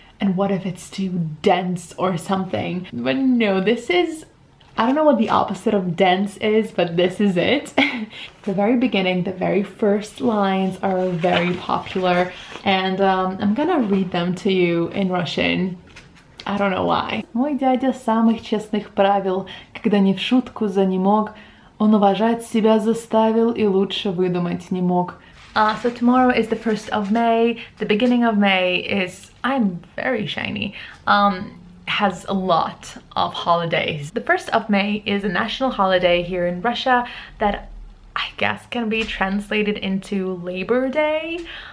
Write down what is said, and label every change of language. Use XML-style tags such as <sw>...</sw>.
<en>And what if it's too dense or something? But no, this is, I don't know what the opposite of dense is, but this is it. The very beginning, the very first lines are very popular, and I'm gonna read them to you in Russian. I don't know why.</en> <ru>Мой дядя самых честных правил, когда не в шутку за не мог, он уважать себя заставил и лучше выдумать не мог.</ru> <en>So tomorrow is the 1st of May. The beginning of May is, I'm very shiny, has a lot of holidays. The 1st of May is a national holiday here in Russia that I guess can be translated into Labor Day.</en>